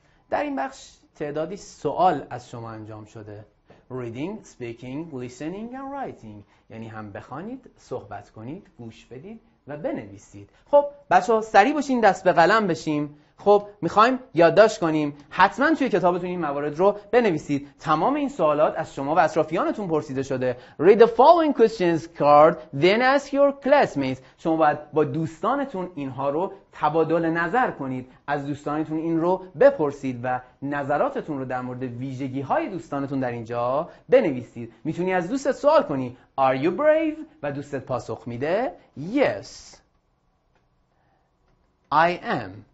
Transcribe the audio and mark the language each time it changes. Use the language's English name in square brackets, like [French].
[Persian] در این بخش تعدادی سوال از شما انجام شده، reading, speaking, listening and writing، یعنی هم بخوانید، صحبت کنید، گوش بدید و بنویسید. خب بچه ها سریع باشین، دست به قلم بشیم. خب میخوایم یادداشت کنیم، حتما توی کتابتون این موارد رو بنویسید. تمام این سوالات از شما و اطرافیانتون پرسیده شده. [English] Read the following questions card then ask your classmates. [Persian] شما باید با دوستانتون اینها رو تبادل نظر کنید، از دوستانتون این رو بپرسید و نظراتتون رو در مورد ویژگی های دوستانتون در اینجا بنویسید. میتونی از دوستت سوال کنی [English] Are you brave؟ [Persian] و دوستت پاسخ میده [English] Yes I am.